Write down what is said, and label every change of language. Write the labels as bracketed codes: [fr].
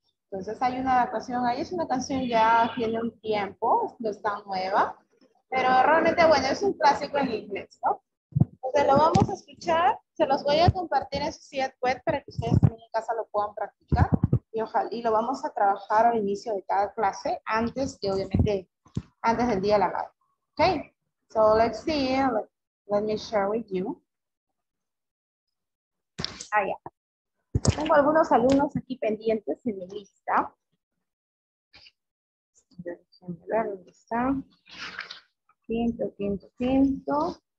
[es] Entonces hay una adaptación ahí, es una canción ya tiene un tiempo, no es tan nueva, pero realmente, bueno, es un clásico en inglés, ¿no? Entonces lo vamos a escuchar, se los voy a compartir en su sitio web para que ustedes también en casa lo puedan practicar y lo vamos a trabajar al inicio de cada clase, antes del día de la madre. ¿Ok? [en] So let's see, let me share with you. Ah, yeah. [es] Tengo algunos alumnos aquí pendientes en mi lista. Déjenme ver dónde está. Quinto.